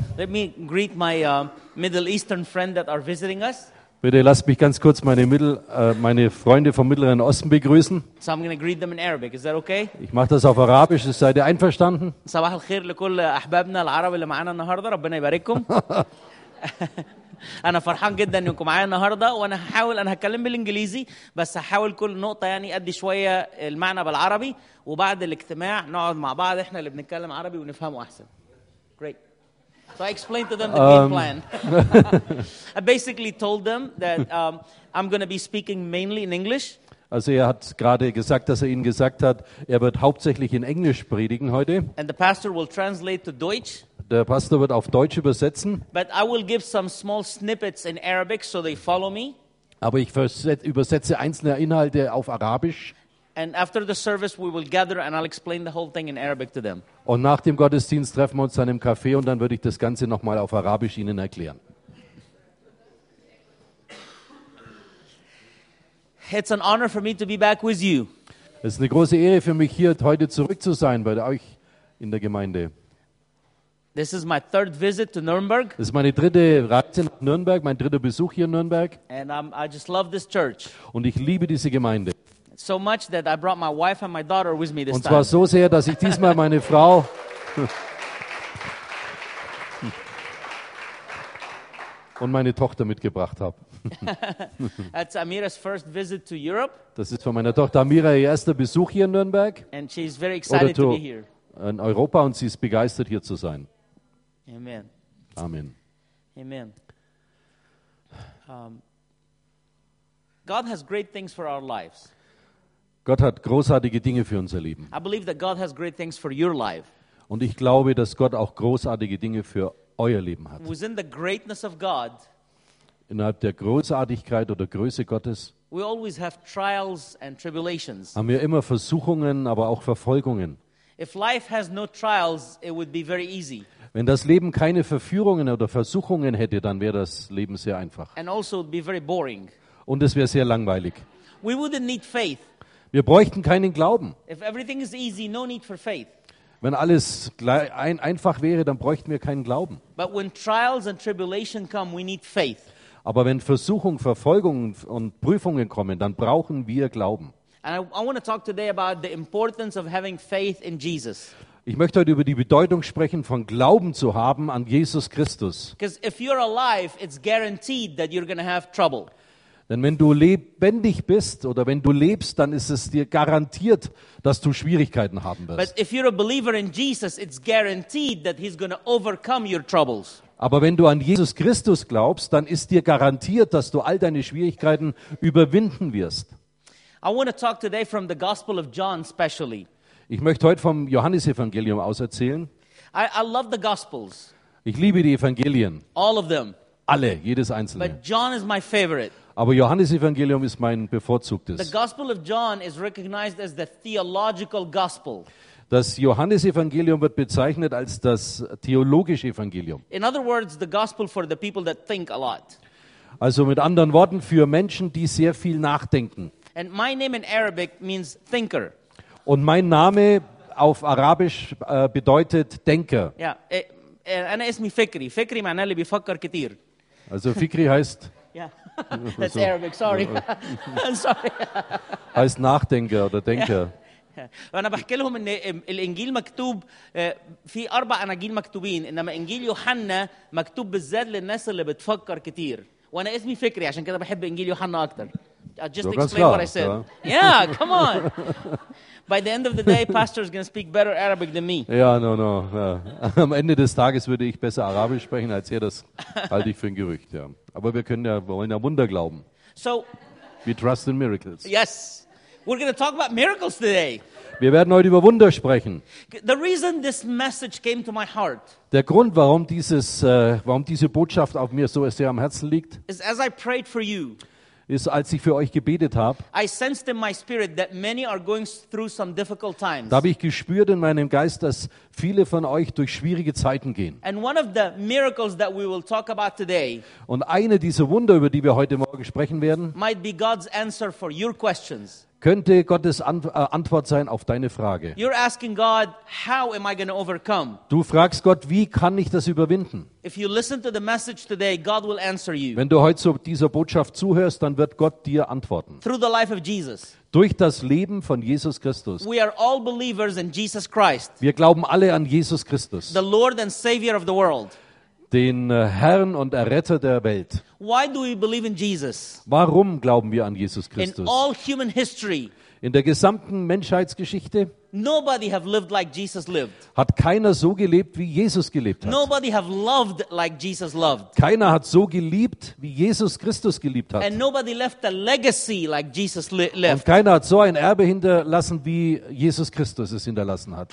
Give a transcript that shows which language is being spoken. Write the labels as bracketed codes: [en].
[en] Let me greet my Middle Eastern friend that are visiting us. [de] Bitte lasst mich ganz kurz meine Freunde vom Mittleren Osten begrüßen. [en] So I'm gonna greet them in Arabic. Is that okay? [de] Ich mache das auf Arabisch. Seid ihr einverstanden? [ar] صباح الخير لكل أحبابنا العرب اللي معانا النهاردة. ربنا يبارككم. أنا فرحان جدا إنكم معايا النهاردة وأنا هحاول أنا هتكلم بالإنجليزي بس هحاول كل نقطة يعني أدي شوية المعنى بالعربي وبعد الاجتماع نقعد مع بعض إحنا اللي بنتكلم عربي ونفهمه أحسن. [en] Great. So I explained to them the game plan. I basically told them that I'm going to be speaking mainly in English. [de] Also er hat gerade gesagt, dass er ihnen gesagt hat, er wird hauptsächlich in Englisch predigen heute. [en] And the pastor will translate to Deutsch. [de] Der Pastor wird auf Deutsch übersetzen. [en] But I will give some small snippets in Arabic, so they follow me. [de] Aber ich übersetze einzelne Inhalte auf Arabisch. [en] And after the service, we will gather, and I'll explain the whole thing in Arabic to them. [de] Und nach dem Gottesdienst treffen wir uns dann im Café, und dann würde ich das Ganze noch mal auf Arabisch ihnen erklären. [en] It's an honor for me to be back with you. [de] Es ist eine große Ehre für mich hier heute zurück zu sein bei euch in der Gemeinde. [en] This is my third visit to Nürnberg. [de] Das ist meine dritte Reise nach Nürnberg, mein dritter Besuch hier in Nürnberg. [en] And I just love this church. [de] Und ich liebe diese Gemeinde. [en] So much that I brought my wife and my daughter with me this time. [de] Und zwar so sehr, dass ich diesmal meine Frau. Und meine Tochter mitgebracht habe. [en] That's Amira's first visit to Europe. [de] Das ist von meiner Tochter Amira ihr erster Besuch hier in Nürnberg. [en] And she's very excited to be here. [de] In Europa und sie ist begeistert hier zu sein. Amen. Amen. Amen. [en] God has great things for our lives. [de] Gott hat großartige Dinge für unser Leben. [en] I believe that God has great things for your life. [de] Und ich glaube, dass Gott auch großartige Dinge für euer Leben hat. [en] Within the greatness of God, [de] innerhalb der Großartigkeit oder Größe Gottes, [en] we always have trials and tribulations. [de] Haben wir immer Versuchungen, aber auch Verfolgungen. [en] If life has no trials, it would be very easy. [de] Wenn das Leben keine Verführungen oder Versuchungen hätte, dann wäre das Leben sehr einfach. [en] And also be very boring. [de] Und es wäre sehr langweilig. [en] We wouldn't need faith. [de] Wir bräuchten keinen Glauben. [en] If everything is easy, no need for faith. [de] Wenn alles einfach wäre, dann bräuchten wir keinen Glauben. [en] But when trials and tribulation come, we need faith. [de] Aber wenn Versuchung, Verfolgung und Prüfungen kommen, dann brauchen wir Glauben. [en] And I want to talk today about the importance of having faith in Jesus. [de] Ich möchte heute über die Bedeutung sprechen, von Glauben zu haben an Jesus Christus. [en] Because if you're alive, it's guaranteed that you're going to have trouble. [de] Denn wenn du lebendig bist oder wenn du lebst, dann ist es dir garantiert, dass du Schwierigkeiten haben wirst. [en] But if you're a believer in Jesus, it's guaranteed that he's going to overcome your troubles. [de] Aber wenn du an Jesus Christus glaubst, dann ist dir garantiert, dass du all deine Schwierigkeiten überwinden wirst. [en] I want to talk today from the Gospel of John specially. [de] Ich möchte heute vom Johannesevangelium auserzählen. [en] I love the Gospels. [de] Ich liebe die Evangelien. [en] All of them. [de] Alle, jedes einzelne. [en] But John is my favorite. [de] Aber Johannesevangelium ist mein bevorzugtes. [en] The Gospel of John is recognized as the theological gospel. [de] Das Johannesevangelium wird bezeichnet als das theologische Evangelium. [en] In other words, the gospel for the people that think a lot. [de] Also mit anderen Worten, für Menschen, die sehr viel nachdenken. [en] And my name in Arabic means thinker. [de] Und mein Name auf Arabisch bedeutet Denker. Ja, [en] yeah. [ar] Ana ismi Fikri. Fikri معناه اللي بيفكر كتير. [de] Also Fikri heißt [en] yeah. That's Arabic, sorry. sorry. [de] Heißt Nachdenker oder Denker. [ar] وانا بحكي لهم ان الانجيل مكتوب في اربع اناجيل مكتوبين انما انجيل يوحنا مكتوب بالذات للناس اللي بتفكر كتير وانا اسمي فكري عشان كده بحب انجيل يوحنا اكتر. [en] Just explain what I said. Yeah, come on. By the end of the day, pastor is going to speak better Arabic than me. Yeah, no. Yeah. [de] Am Ende des Tages würde ich besser Arabisch sprechen als er. Das halte ich für ein Gerücht. Ja. Aber wir wollen ja Wunder glauben. [en] So, we trust in miracles. Yes, we're going to talk about miracles today. [de] Wir werden heute über Wunder sprechen. [en] The reason this message came to my heart. [de] Der Grund, warum diese Botschaft auf mir so sehr am Herzen liegt, [en] is as I prayed for you. [de] Ist, als ich für euch gebetet habe, [en] I sensed in my spirit that many are going through some difficult times. [de] Da habe ich gespürt in meinem Geist, dass viele von euch durch schwierige Zeiten gehen. [en] And one of the miracles that we will talk about today. [de] Und eine dieser Wunder, über die wir heute Morgen sprechen werden, [en] might be God's answer for your questions. [de] könnte Gottes Antwort sein auf deine Frage. [en] You're asking God, how am I going to overcome? [de] Du fragst Gott, wie kann ich das überwinden? [en] If you listen to the message today, God will answer you. [de] Wenn du heute so dieser Botschaft zuhörst, dann wird Gott dir antworten. [en] Through the life of Jesus. [de] Durch das Leben von Jesus Christus. [en] We are all believers in Jesus Christ. [de] Wir glauben alle an Jesus Christus. [en] The Lord and Savior of the world. [de] Den Herrn und Erretter der Welt. [en] Why do we believe in Jesus? [de] Warum glauben wir an Jesus Christus? [en] In all human history. [de] In der gesamten Menschheitsgeschichte. [en] Nobody have lived like Jesus lived. [de] Hat keiner so gelebt, wie Jesus gelebt hat. [en] Nobody have loved like Jesus loved. [de] Keiner hat so geliebt, wie Jesus Christus geliebt hat. [en] And nobody left a legacy like Jesus left. [de] Und keiner hat so ein Erbe hinterlassen, wie Jesus Christus es hinterlassen hat.